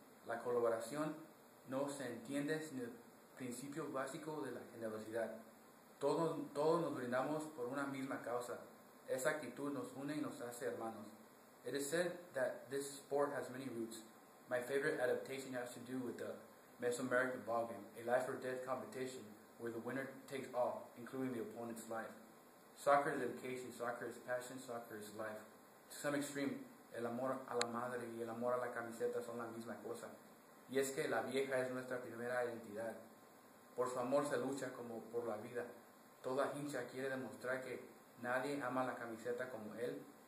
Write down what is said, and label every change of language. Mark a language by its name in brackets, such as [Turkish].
[Spanish] La colaboración no se entiende sin el principio básico de la generosidad. Todos nos brindamos por una misma causa. Esa actitud nos une y nos hace hermanos. [English] It is said that this sport has many roots. My favorite adaptation has to do with the Mesoamerican ballgame, a life or death competition where the winner takes all, including the opponent's life. Soccer is education, soccer is passion, soccer is life. To some extreme, [Spanish] el amor a la madre y el amor a la camiseta son la misma cosa. Y es que la vieja es nuestra primera identidad. Por su amor se lucha como por la vida. Toda hincha quiere demostrar que nadie ama la camiseta como él.